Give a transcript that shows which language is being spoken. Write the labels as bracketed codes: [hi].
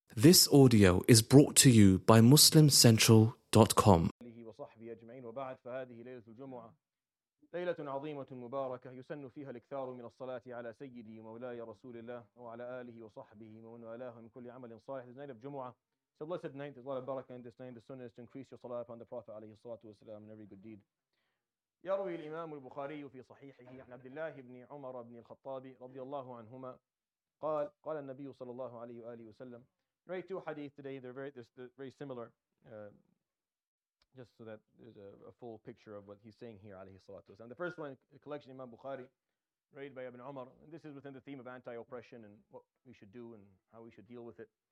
[en] This audio is brought to you by MuslimCentral.com. [ar] وصحبه أجمعين وبعد فهذه ليلة الجمعة ليلة عظيمة مباركة يسن فيها الإكثار من الصلاة على سيدي مولاي رسول الله وعلى آله وصحبه ومن والاه من كل عمل صالح. [en] This night of Jumu'ah, it's a blessed night. There's a lot of barakah in this night. The sunnah is to increase your salah upon the Prophet [ar] عليه الصلاة والسلام [en] and every good deed. [ar] يروي الإمام البخاري في صحيحه عن عبد الله بن عمر بن الخطاب رضي الله عنهما قال قال النبي صلى الله عليه وآله وسلم. [en] Right, two hadith today, they're very similar. Just so that there's a full picture of what he's saying here, alayhi salatu wasalam. The first one, a collection Imam Bukhari, read by Ibn Umar. And this is within the theme of anti-oppression and what we should do and how we should deal with it.